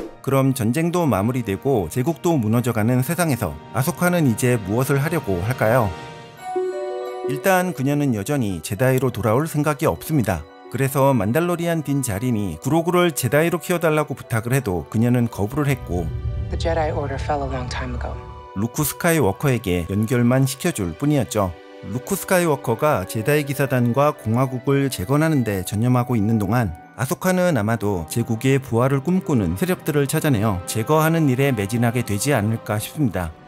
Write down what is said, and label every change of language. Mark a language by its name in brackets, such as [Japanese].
[Korean] 그럼 전쟁도 마무리되고 제국도 무너져가는 세상에서 아소카는 이제 무엇을 하려고 할까요? 일단 그녀는 여전히 제다이로 돌아올 생각이 없습니다. 그래서 만달로리안 딘 자린이 그로그를 제다이로 키워달라고 부탁을 해도 그녀는 거부를 했고 [English] The Jedi Order fell a long time ago. [Korean] 루크 스카이워커에게 연결만 시켜줄 뿐이었죠. 루크 스카이워커가 제다이 기사단과 공화국을 재건하는 데 전념하고 있는 동안 아소카는 아마도 제국의 부활을 꿈꾸는 세력들을 찾아내어 제거하는 일에 매진하게 되지 않을까 싶습니다.